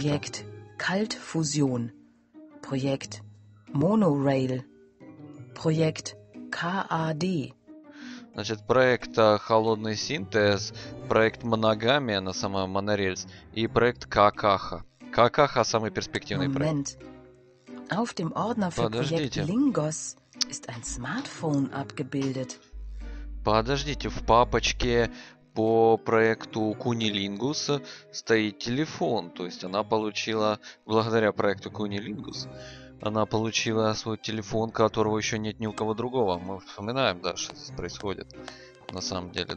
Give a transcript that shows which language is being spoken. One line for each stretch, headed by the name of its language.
Russian: Проект Кальтфузион. Проект Монорейл. Проект КАД. Значит, проект холодный синтез, проект Моногамия на самом Монорельс и проект Какаха. Какаха самый перспективный
German: Moment.
Russian: Проект. Подождите.
German: Lingos ist ein Smartphone abgebildet.
Russian: Подождите, в папочке по проекту Кунилингус стоит телефон. То есть она получила, благодаря проекту Кунилингус, она получила свой телефон, которого еще нет ни у кого другого. Мы вспоминаем, да, что здесь происходит на самом деле.